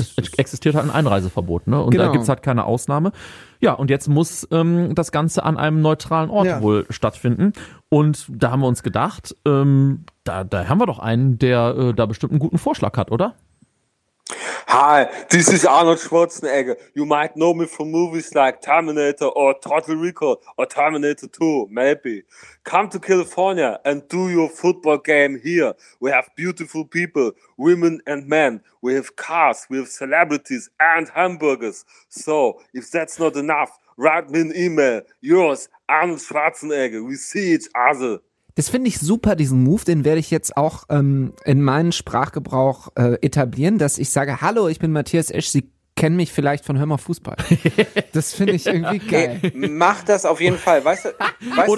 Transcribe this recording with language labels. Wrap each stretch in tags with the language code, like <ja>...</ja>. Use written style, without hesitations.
<de>Es existiert halt ein Einreiseverbot, ne? Und genau. Da gibt es halt keine Ausnahme. Ja, und jetzt muss das Ganze an einem neutralen Ort wohl stattfinden. Und da haben wir uns gedacht, da haben wir doch einen, der da bestimmt einen guten Vorschlag hat, oder?</de> <en>Hi, this is Arnold Schwarzenegger. You might know me from movies like Terminator or Total Recall or Terminator 2, maybe. Come to California and do your football game here. We have beautiful people, women and men. We have cars, we have celebrities and hamburgers. So, if that's not enough, write me an email. Yours, Arnold Schwarzenegger. We see each other.</en> <de>Das finde ich super, diesen Move, den werde ich jetzt auch in meinen Sprachgebrauch etablieren, dass ich sage, hallo, ich bin Matthias Esch, Sie kennen mich vielleicht von Hör mal Fußball. Das finde ich irgendwie geil. Hey, mach das auf jeden Fall. Weißt du,</de>